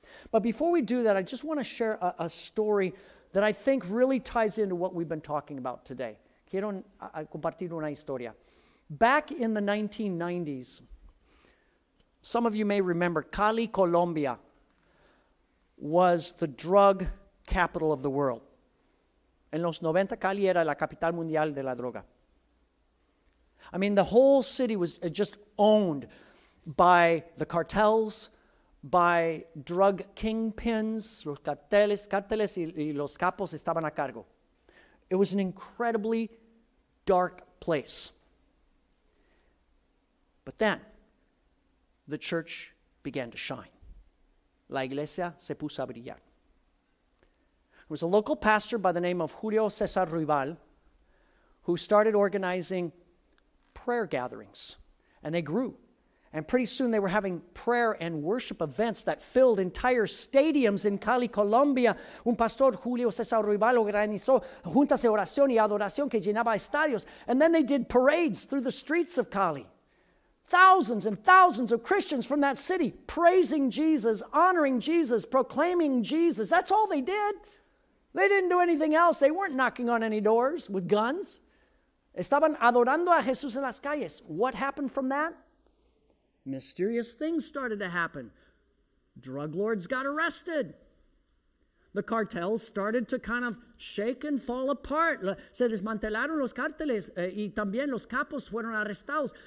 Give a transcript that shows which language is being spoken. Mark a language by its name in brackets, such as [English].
[English] But before we do that, I just want to share a story that I think really ties into what we've been talking about today. [Spanish] Quiero compartir una historia. [English] Back in the 1990s, some of you may remember Cali, Colombia was the drug capital of the world. [Spanish] En los 90, Cali era la capital mundial de la droga. [English] I mean, the whole city was just owned by the cartels, by drug kingpins, [Spanish] los carteles y los capos estaban a cargo. [English] It was an incredibly dark place. But then, the church began to shine. [Spanish] La iglesia se puso a brillar. [English] There was a local pastor by the name of Julio Cesar Ruibal who started organizing prayer gatherings, and they grew. And pretty soon they were having prayer and worship events that filled entire stadiums in Cali, Colombia. [Spanish] Un pastor, Julio Cesar Ruibal, organizó juntas de oración y adoración que llenaba estadios. [English] And then they did parades through the streets of Cali. Thousands and thousands of Christians from that city praising Jesus, honoring Jesus, proclaiming Jesus. That's all they did. They didn't do anything else. They weren't knocking on any doors with guns. [Spanish] Estaban adorando a Jesús en las calles. [English] What happened from that? Mysterious things started to happen. Drug lords got arrested. The cartels started to kind of shake and fall apart. [Spanish] Se desmantelaron los carteles y también los capos fueron arrestados.